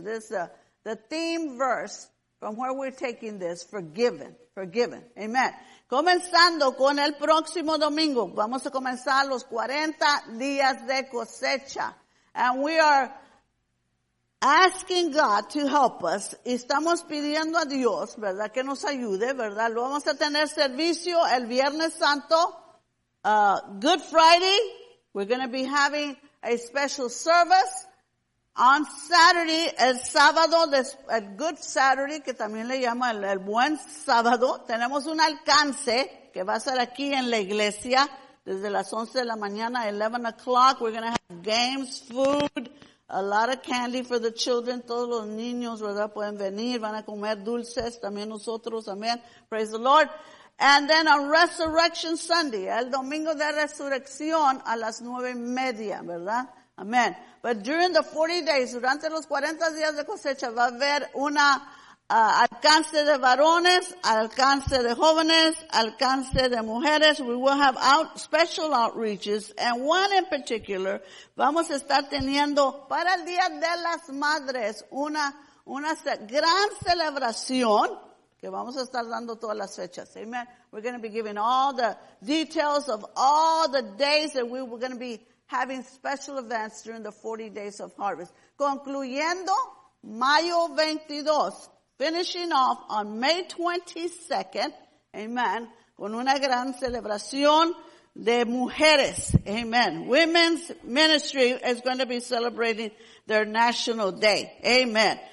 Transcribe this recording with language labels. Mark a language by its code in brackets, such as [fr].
[en] This is the theme verse from where we're taking this, forgiven, forgiven. Amen. [es] Comenzando con el próximo domingo, vamos a comenzar los 40 días de cosecha. [en] And we are asking God to help us. [es] Estamos pidiendo a Dios, ¿verdad?, que nos ayude, ¿verdad? Lo vamos a tener servicio el Viernes Santo. [en] Good Friday, we're going to be having a special service. On Saturday, [es] el sábado, [en] a good Saturday, [es] que también le llama el buen sábado, tenemos un alcance que va a ser aquí en la iglesia desde las 11 de la mañana, [en] 11 o'clock. We're going to have games, food, a lot of candy for the children. [es] Todos los niños, ¿verdad?, pueden venir, van a comer dulces, también nosotros, amen. [en] Praise the Lord. And then on Resurrection Sunday, [es] el domingo de resurrección a las 9:30, ¿verdad? [en] Amen. But during the 40 days, [es] durante los 40 días de cosecha, va a haber una alcance de varones, alcance de jóvenes, alcance de mujeres. [en] We will have special outreaches. And one in particular, [es] vamos a estar teniendo para el Día de las Madres una gran celebración que vamos a estar dando todas las fechas. Amen. [en] We're going to be giving all the details of all the days that we're going to be having special events during the 40 days of harvest. [es] Concluyendo mayo 22, [en] finishing off on May 22nd, [es] amen, con una gran celebración de mujeres, amen. [en] Women's ministry is going to be celebrating their national day, amen.